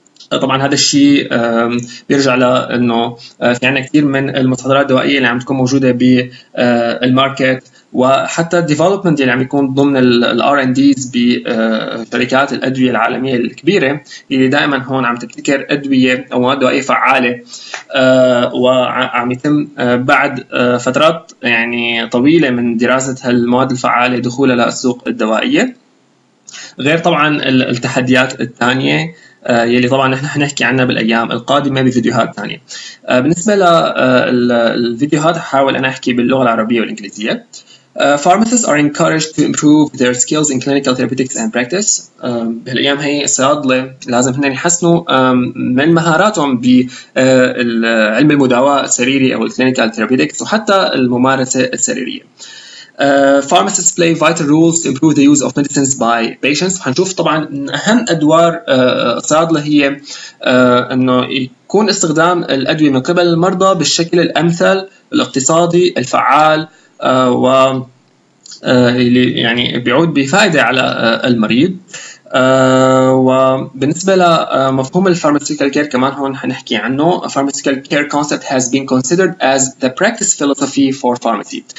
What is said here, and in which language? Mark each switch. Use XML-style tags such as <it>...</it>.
<ar>طبعا هذا الشيء بيرجع لانه في عندنا كثير من المستحضرات الدوائيه اللي عم تكون موجوده بالماركت، وحتى الديفلوبمنت اللي عم يكون ضمن الار ان ديز بشركات الادويه العالميه الكبيره اللي دائما هون عم تبتكر ادويه او مواد دوائيه فعاله، وعم يتم بعد فترات يعني طويله من دراسه هالمواد الفعاله دخولها للسوق الدوائيه. غير طبعا التحديات الثانيه يلي طبعا نحن حنحكي عنها بالايام القادمه بفيديوهات ثانيه. بالنسبه للفيديوهات حاول انا احكي باللغه العربيه والانجليزيه.</ar> <en>Pharmacists are encouraged to improve their skills in clinical therapeutics and practice.</en> <ar>بهالايام هي الصيادله لازم هن يحسنوا من مهاراتهم بعلم المداواه السريري او الكلينيكال ثيرابيتكس وحتى الممارسه السريريه.</ar> <en>Pharmacists play vital roles to improve the use of medicines by patients.</en> <ar>حنشوف طبعا اهم ادوار الصيادله هي انه يكون استخدام الادويه من قبل المرضى بالشكل الامثل الاقتصادي الفعال و يعني بيعود بفائده على المريض. وبالنسبه لمفهوم الفارماسيكال كير كمان هون حنحكي عنه.</ar> <en>Pharmaceutical care concept has been considered as the practice philosophy for pharmacy.</en>